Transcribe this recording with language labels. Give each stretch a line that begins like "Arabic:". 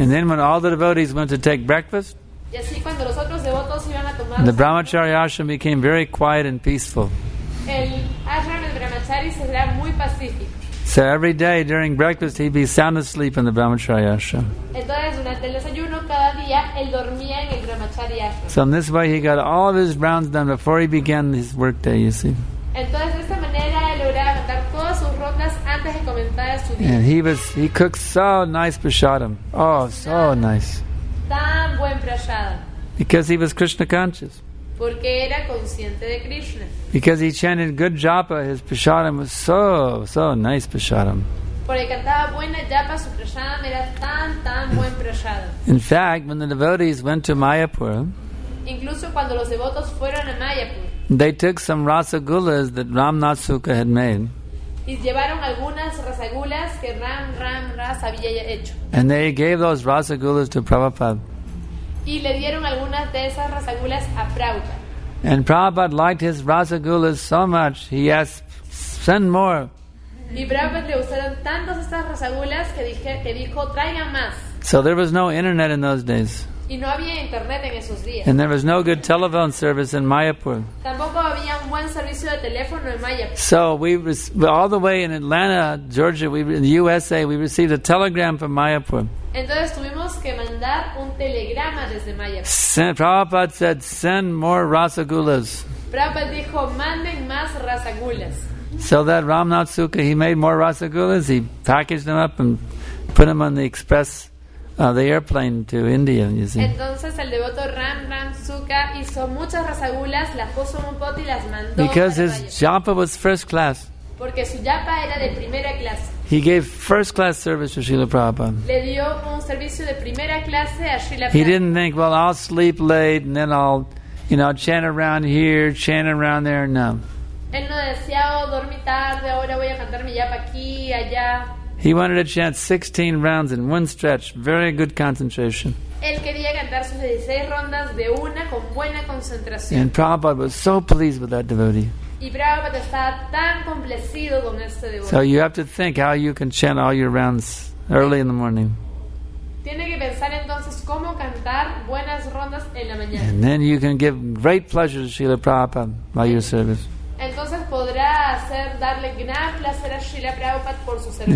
English: And then when all the devotees went to take breakfast,
Spanish: y así cuando los otros devotos iban a tomar,
English: the Brahmacharya ashram became very quiet and peaceful.
Spanish: El ashram del Brahmachari se era muy pacífico.
English: So every day during breakfast he'd be sound asleep in the Brahmacharya ashram.
Spanish: Entonces durante el desayuno cada día él dormía en el Brahmacharya ashram.
English: So in this way he got all of his rounds done before he began his work day, you see.
Spanish: Entonces, de esta manera, él lograba cantar todas sus rondas antes de comenzar su día.
English: And he cooked so nice prasadam. Oh, so nice.
Spanish: Tan buen prasadam.
English: Because he was Krishna conscious.
Spanish: Porque era consciente de Krishna.
English: Because he chanted good japa, his prasadam was so, so nice prasadam.
Spanish: Porque cantaba buena japa, su prasadam era tan, tan buen prasadam.
English: In fact, when the devotees went to Mayapur,
Spanish: incluso cuando los devotos fueron a Mayapur,
English: they took some rasagulas that Ram Natsuka had made.
Spanish: Y llevaron algunas rasagulas que Ram Ras había hecho.
English: And they gave those rasagulas to Prabhupada.
Spanish: Y le dieron algunas de esas rasagulas a Prabhupada.
English: And Prabhupada liked his rasagulas so much, he asked, send more.
Spanish: Y Prabhupada le gustaron tantas esas rasagulas que dijo, traigan más.
English: So there was no internet in those days.
Spanish: Y no había internet en esos días.
English: And there was no good telephone service in Mayapur.
Spanish: Tampoco había un buen servicio de teléfono en Mayapur.
English: So we all the way in Atlanta, Georgia, in the USA, we received a telegram from Mayapur.
Spanish: Entonces tuvimos que mandar un telegrama desde Mayapur.
English: Prabhupada said, send more rasagulas.
Spanish: Prabhupada dijo, manden más rasagulas.
English: So that Ram Natsuka, he made more rasagulas, he packaged them up and put them on the express the airplane to India, you see.
Spanish: Entonces el devoto Ram Suka hizo muchas rasagulas, las puso en un pote y las mandó.
English: Because his japa was first class.
Spanish: Porque su japa era de primera clase.
English: He gave first class service to Srila Prabhupada.
Spanish: Le dio un servicio de primera clase a Srila Prabhupada.
English: He didn't think, well, I'll sleep late and then I'll, you know, chant around here, chant around there.
Spanish: No. Él no decía, oh, dormí tarde, ahora voy a cantar mi japa aquí, allá.
English: He wanted to chant 16 rounds in one stretch. Very good concentration.
Spanish: Él quería cantar sus 16 rondas de una con buena concentración.
English: And Prabhupada was so pleased with that devotee.
Spanish: Y Prabhupada estaba tan complacido con este devotee.
English: So you have to think how you can chant all your rounds early in the morning.
Spanish: Tiene que pensar entonces cómo cantar buenas rondas en la mañana.
English: And then you can give great pleasure to Srila Prabhupada by your service.
Spanish: Entonces podrá hacer darle gran placer a Srila Prabhupada por su servicio.